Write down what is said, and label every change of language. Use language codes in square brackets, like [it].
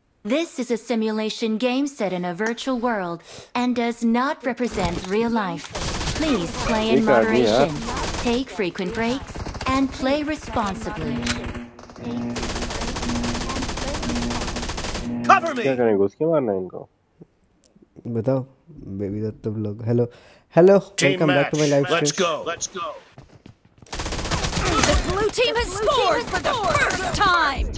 [en] This is a simulation game set in a virtual world and does not represent real life. Please play in moderation. Take frequent breaks and play responsibly. Cover me. [hi] क्या करेंगे उसके बाद ना इनको? बताओ, baby Dutt vlog. [en] Hello, hello, welcome back to my live stream. Let's go. Let's go. The blue team has scored for the first time.